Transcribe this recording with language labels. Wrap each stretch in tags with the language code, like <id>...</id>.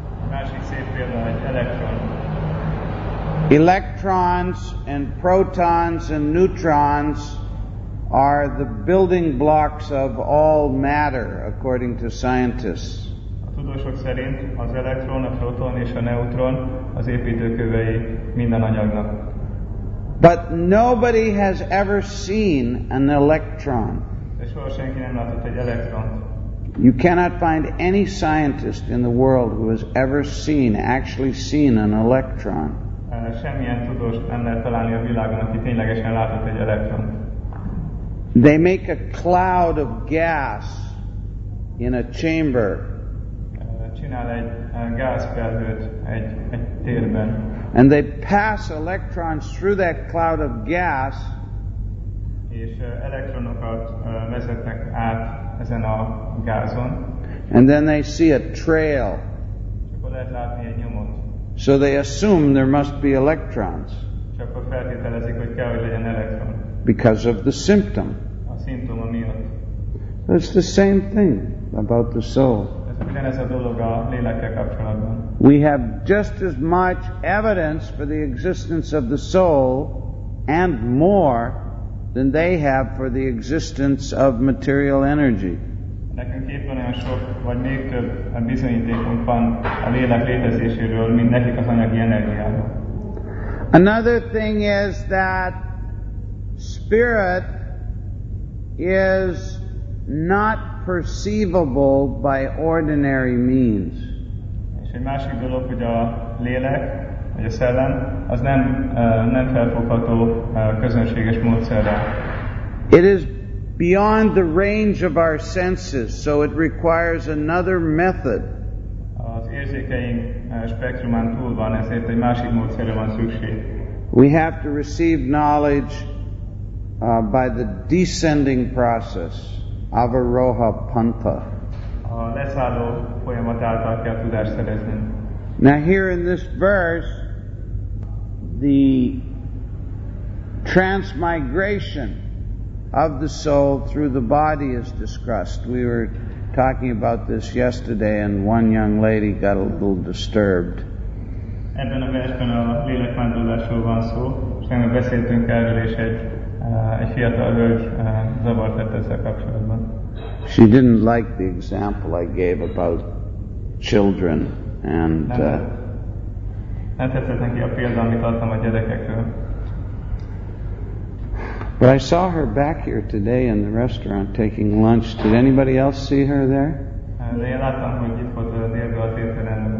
<hu>Másik szép példa egy elektron.</hu> <en>Electrons and protons and neutrons are the building blocks of all matter, according to scientists.</en> <hu>A tudósok szerint az elektron, a proton és a neutron az építőkövei minden anyagnak.</hu> <en>But nobody has ever seen an electron.</en> <hu>De soha senki nem látott egy elektront.</hu> <en>You cannot find any scientist in the world who has ever seen, actually seen an electron.</en> <hu>Semmilyen tudós nem lehet találni a világon, aki ténylegesen látott egy elektron.</hu> <en>They make a cloud of gas in a chamber.</en> <hu>Csinál egy gázfelhőt egy térben.</hu> <en>And they pass electrons through that cloud of gas.</en> <hu>És elektronokat vezetnek át ezen a gázon.</hu> <en>And then they see a trail.</en> <hu>És akkor lehet látni egy nyomot.</hu> <en>So they assume there must be electrons.</en> <hu>És akkor feltételezik, hogy kell, hogy legyen elektron.</hu> <en>Because of the symptom.</en> <hu>A szimptoma miatt.</hu> <en>It's the same thing about the soul.</en> <hu>Ugyanez a dolog a lélekkel kapcsolatban.</hu> <en>We have just as much evidence for the existence of the soul and more than they have for the existence of material energy.</en> <hu>Nekünk épp olyan sok, vagy még több bizonyítékunk van a lélek létezéséről, mint nekik az anyagi energiáról.</hu> <en>Another thing is that spirit is not perceivable by ordinary means.</en> <hu>És egy másik dolog, hogy a lélek, vagy a szellem, az nem felfogható közönséges módszerrel.</hu> <en>It is beyond the range of our senses, so it requires another method.</en> <hu>Az érzékeink spektrumán túl van, ezért egy másik módszerre van szükség.</hu> <en>We have to receive knowledge by the descending process.</en> <sa>Avaroha Pantha.</sa> <hu>A leszálló folyamat által kell tudást szerezni.</hu> <en>Now here in this verse, the transmigration of the soul through the body is discussed. We were talking about this yesterday and one young lady got a little disturbed.</en> <hu>Ebben a versben a lélekvándorlásról van szó, és nem beszéltünk erről, és egy fiatal hölgy zavart lett ezzel kapcsolatban.</hu> <en>She didn't like the example I gave about children and</en> <hu>nem tetszett neki a példa, amit adtam a gyerekekről.</hu> <en>But I saw her back here today in the restaurant taking lunch. Did anybody else see her there?</en> <hu>De én láttam, hogy itt volt a délben a tételen.</hu>